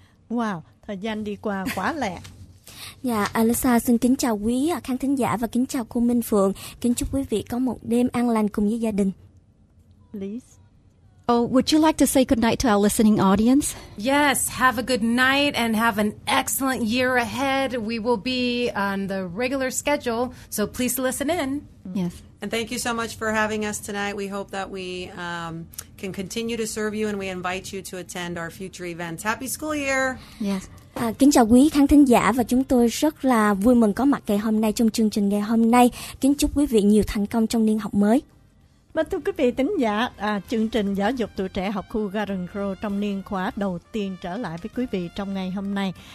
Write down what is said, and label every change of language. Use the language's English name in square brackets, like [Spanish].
[Vietnamese] Wow, thời gian đi qua quá lẹ. Dạ, Alyssa xin kính chào quý khán thính giả và kính chào cô Minh Phượng. Kính chúc quý vị có một đêm an lành cùng với gia đình. [English] Please. Oh, would you like to say good night to our listening audience? Yes, have a good night and have an excellent year ahead. We will be on the regular schedule, so please listen in. Yes. And thank you so much for having us tonight. We hope that we can continue to serve you, and we invite you to attend our future events. Happy school year! Yes. [Vietnamese] Kính chào quý khán thính giả, và chúng tôi rất là vui mừng có mặt ngày hôm nay trong chương trình ngày hôm nay. Kính chúc quý vị nhiều thành công trong niên học mới. Và thưa quý vị thính giả, chương trình giáo dục tuổi trẻ học khu Garden Grove trong niên khóa đầu tiên trở lại với quý vị trong ngày hôm nay.